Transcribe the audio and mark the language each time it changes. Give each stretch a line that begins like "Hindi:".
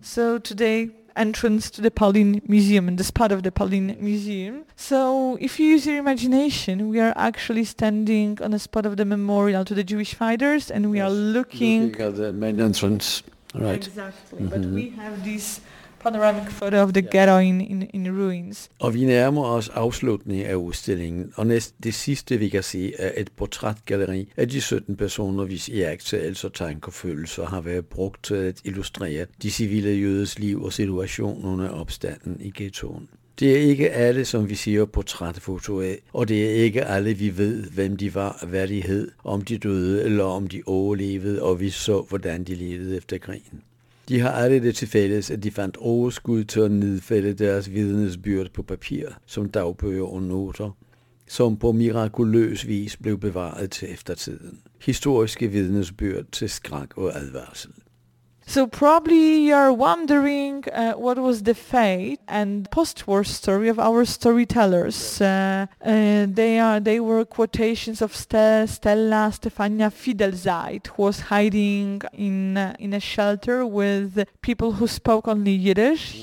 English: So today, entrance to the Pauline Museum, and this part of the Pauline Museum. So if you use your imagination, we are actually standing on the spot of the memorial to the Jewish fighters, and we are looking at the main entrance. Right. Exactly. Mm-hmm. But we have this panoramic photo of the ghetto in ruins.
Danish: Og vi nærmer os afslutningen af udstillingen, og næst det sidste vi kan se er et portrætgalleri af de 17 personer, hvis iagttagelser, tanker og følelser har været brugt til at illustrere de civile jødes liv og situation under opstanden i ghettoen. Det er ikke alle, som vi ser portrætfoto af, og det er ikke alle, vi ved, hvem de var, hvad de hed, om de døde eller om de overlevede, og vi så, hvordan de levede efter krigen. De har aldrig det til fælles, at de fandt overskud til at nedfælde deres vidnesbyrd på papir, som dagbøger og noter, som på mirakuløs vis blev bevaret til eftertiden. Historiske vidnesbyrd til skræk og advarsel.
English: So probably you're wondering what was the fate and post-war story of our storytellers. They were quotations of Stella Stefania Fidelzeit, who was hiding in a shelter with people who spoke only Yiddish.